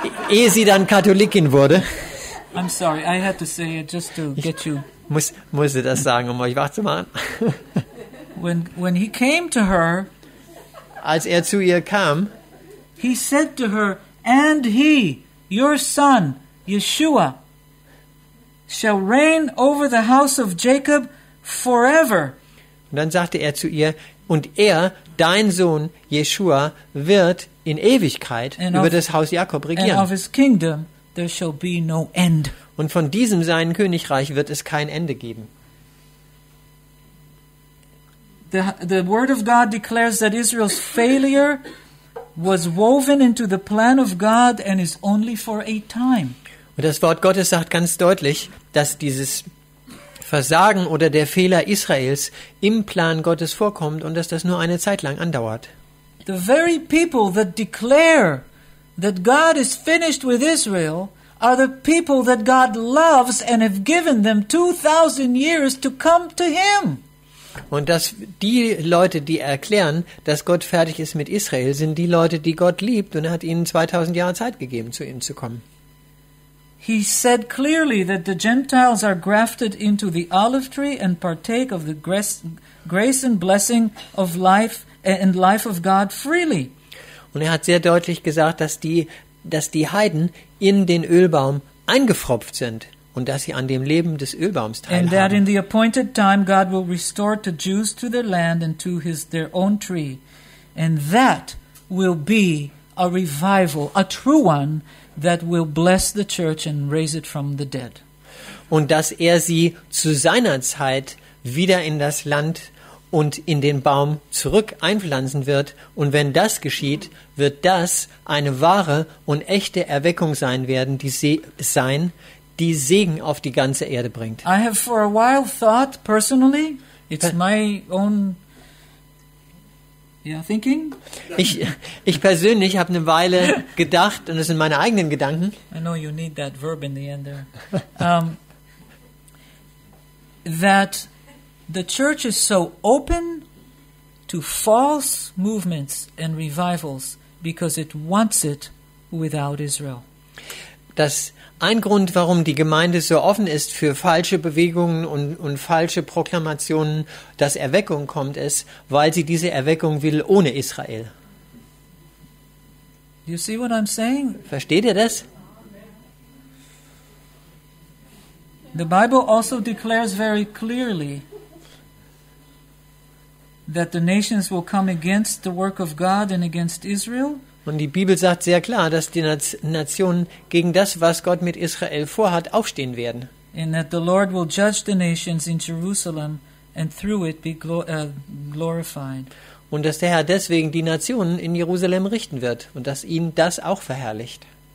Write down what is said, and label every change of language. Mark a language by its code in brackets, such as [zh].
[de] ehe sie dann Katholikin wurde. [en] I'm sorry, I had to say it just to get you. [de] Musste das sagen, um euch wach zu machen. [en] when he came to her, [de] als er zu ihr kam, [en] he said to her, and he, your son, Yeshua, shall reign over the house of Jacob forever. [de] Und dann sagte er zu ihr, und er, dein Sohn Yeshua, wird in Ewigkeit über das Haus Jakob regieren. [en] And of his kingdom there shall be no end. [de] Und von diesem seinen Königreich wird es kein Ende geben. [en] The word of God declares that Israel's failure was woven into the plan of God and is only for a time. [de] Und das Wort Gottes sagt ganz deutlich, dass dieses Versagen oder der Fehler Israels im Plan Gottes vorkommt und dass das nur eine Zeit lang andauert. [en] The very people that declare that God is finished with Israel are the people that God loves and have given them 2000 years to come to him. [de] Und dass die Leute, die erklären, dass Gott fertig ist mit Israel, sind die Leute, die Gott liebt und er hat ihnen 2000 Jahre Zeit gegeben, zu ihm zu kommen. [en] He said clearly that the Gentiles are grafted into the olive tree and partake of the grace and blessing of life and life of God freely. [de] Und er hat sehr deutlich gesagt, dass die Heiden in den Ölbaum eingefropft sind und dass sie an dem Leben des Ölbaums teilhaben. [en] And that in the appointed time God will restore the Jews to their land and to their own tree. And that will be a revival, a true one, that will bless the church and raise it from the dead. [de] Und dass er sie zu seiner Zeit wieder in das Land und in den Baum zurück einpflanzen wird. Und wenn das geschieht, wird das eine wahre und echte Erweckung sein werden, die Segen auf die ganze Erde bringt. [en] I have for a while thought personally, it's my own thinking? [de] Ich persönlich habe eine Weile gedacht, und das sind meine eigenen Gedanken. [en] I know you need that verb in the end there. That the church is so open to false movements and revivals because it wants it without Israel. [de] Das ein Grund, warum die Gemeinde so offen ist für falsche Bewegungen und falsche Proklamationen, dass Erweckung kommt, ist, weil sie diese Erweckung will ohne Israel. [en] You see what I'm saying? [de] Versteht ihr das? [en] The Bible also declares very clearly that the nations will come against the work of God and against Israel. [de] Und die Bibel sagt sehr klar, dass die Nationen gegen das, was Gott mit Israel vorhat, aufstehen werden. [en] And that the Lord will judge the nations in Jerusalem and through it be glorified. [de] Und dass der Herr deswegen die Nationen in Jerusalem richten wird und dass ihn das auch verherrlicht.